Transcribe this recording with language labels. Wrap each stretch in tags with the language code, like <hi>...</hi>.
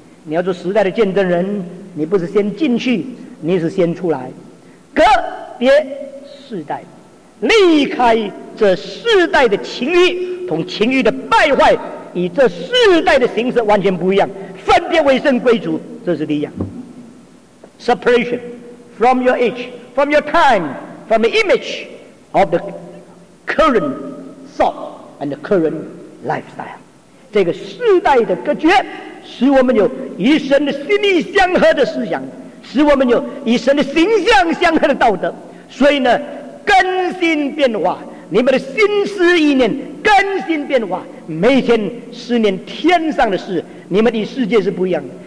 <zh>你要做时代的见证人，你不是先进去，你是先出来，隔别世代，离开这世代的情欲同情欲的败坏，与这世代的形式完全不一样，分别为圣归主，这是第一样。</zh> <en>Separation from your age, from your time, from the image of the current thought and the current lifestyle,</en> <zh>这个世代的隔绝使我们有与神的心意相合的思想，使我们有与神的形象相合的道德。所以呢，更新变化，你们的心思意念更新变化，每天思念天上的事，你们的世界是不一样的。</zh>